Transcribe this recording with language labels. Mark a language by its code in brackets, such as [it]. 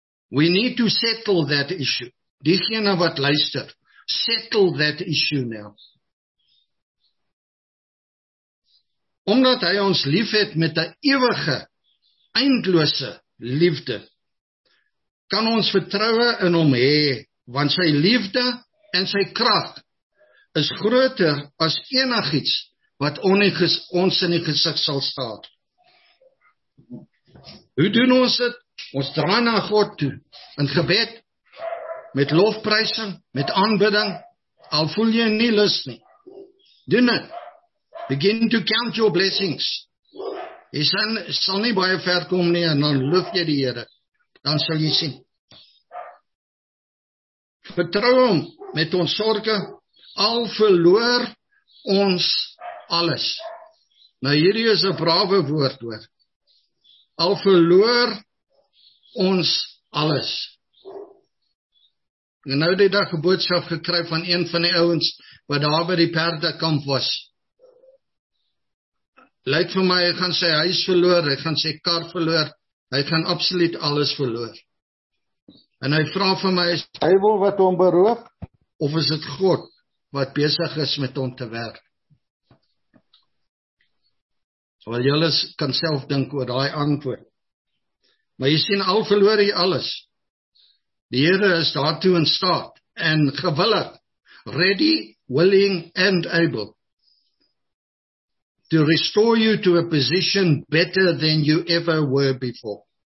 [en] We need to settle that issue. [af] Diegene wat luister, [en] settle that issue now. [af] Omdat hy ons lief het met die ewige, eindlose liefde, kan ons vertrouwe in hom hê, want sy liefde en sy krag is groter as enigiets wat ons in die gesig sal staan. Hoe doen ons dit? Ons draai na God toe, in gebed, met lofprysing, met aanbidding, al voel jy nie lus nie. Doen dit. [en] Begin to count your blessings. [af] Jy sal nie baie ver kom nie, en dan loof jy die Here. Dan sal jy sien. Vertrou hom met ons sorge, al verloor ons alles. Nou hierdie is 'n brawe woord hoor. Al verloor ons alles. En nou die dag 'n boodskap gekry van een van die ouens wat daar by die perdekamp was. Lyk vir my, hy gaan sy huis verloor, hy gaan sy kar verloor, hy gaan absoluut alles verloor. En hy vra vir my, is hy wil wat hom beroof? Of is dit God wat besig is met hom te werk? Wel, julle kan self dink oor daai antwoord. Maar jy sien, al verloor jy alles. Die Here is daartoe in staat en gewillig, [en] ready, willing and able to restore you to a position better than you ever were before.